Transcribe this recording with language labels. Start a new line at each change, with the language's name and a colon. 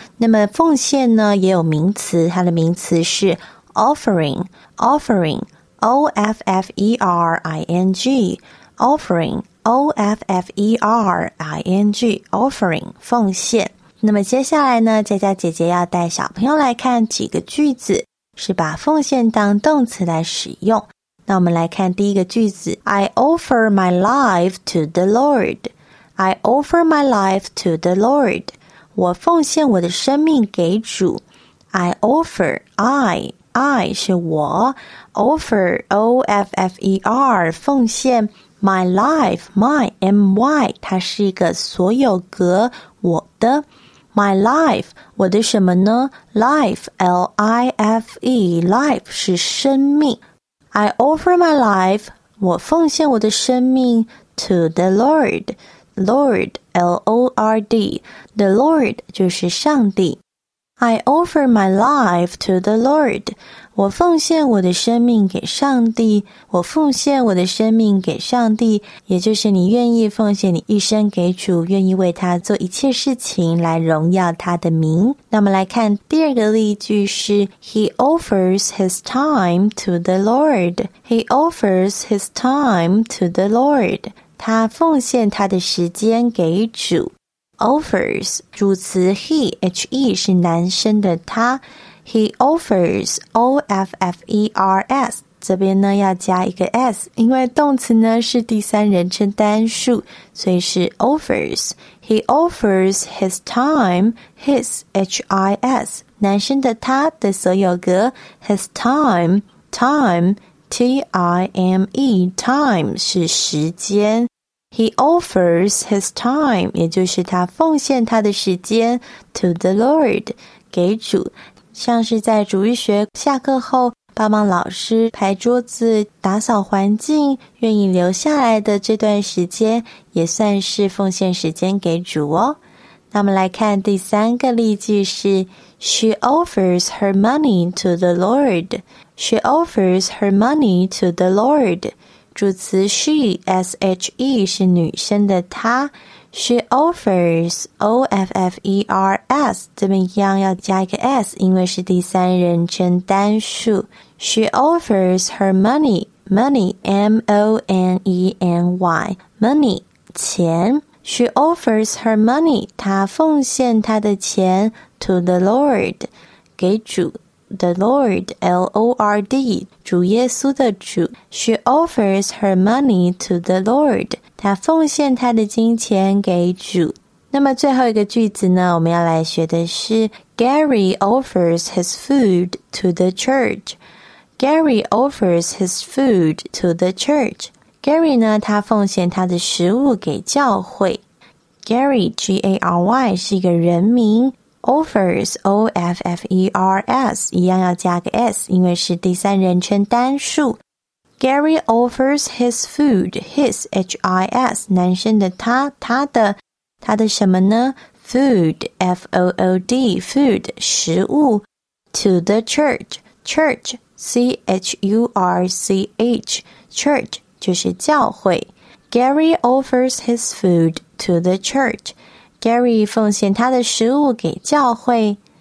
Chinese: 那么奉献呢也有名词，它的名词是 offering， offering， O-F-F-E-R-I-N-G， offering，O-F-F-E-R-I-N-G offering 奉献。那么接下来呢，佳佳姐姐要带小朋友来看几个句子是把奉献当动词来使用。
English: 那我们来看第一个句子， I offer my life to the Lord， I offer my life to the Lord，
Chinese: 我奉献我的生命给主。
English: I offer， I 是我， offer O-F-F-E-R 奉献My life, my, my,
Chinese: 它是一个所有格，我的。
English: My life,
Chinese: 我的什么呢？
English: Life, L-I-F-E, life 是生命。 I offer my life,
Chinese: 我奉献我的生命
English: to the Lord. Lord, L-O-R-D, the Lord
Chinese: 就是上帝。
English: I offer my life to the Lord.
Chinese: 我奉献我的生命给上帝，我奉献我的生命给上帝，也就是你愿意奉献你一生给主，愿意为他做一切事情来荣耀他的名。那么来看第二个例句是
English: He offers his time to the Lord. He offers his time to the Lord.
Chinese: 他奉献他的时间给主。 Offers 主词 he he 是男生的他， he offers o f f e r s 这边呢要加一个 s， 因为动词呢是第三人称单数，所以是 offers。
English: He offers his time， his h i s
Chinese: 男生的他的所有格，
English: his time， time t i m e， time 是时间。 He offers his time，
Chinese: 也就是他奉献他的时间
English: to the Lord， 给主。
Chinese: 像是在主日学下课后帮忙老师排桌子打扫环境，愿意留下来的这段时间也算是奉献时间给主哦。那我们来看第三个例句是
English: She offers her money to the Lord，
Chinese: She offers her money to the Lord，主词 she s h e 是女生的她， she offers o f f e r s 这边一样要加一个 s， 因为是第三人称单数。
English: she offers her money， money m o n e n y， money 钱。 she offers her money，
Chinese: 她奉献她的钱
English: to the Lord， 给主。 The Lord, L-O-R-D,
Chinese: 主耶稣的主。
English: She offers her money to the Lord，
Chinese: 她奉献她的金钱给主。那么最后一个句子呢，我们要来学的是
English: Gary offers his food to the church，
Chinese: Gary offers his food to the church， Gary 呢，他奉献他的食物给教会。
English: Gary, G-A-R-Y
Chinese: 是一个人名，
English: offers O-F-F-E-R-S 一样要加个 S， 因为是第三人称单数。 Gary offers his food， his H-I-S
Chinese: 男生的他的什么呢？
English: food, F-O-O-D, food, 食物 to the church, church, C-H-U-R-C-H, church,
Chinese: 就是教会
English: Gary offers his food to the church,
Chinese: Gary 奉献他的食物给教会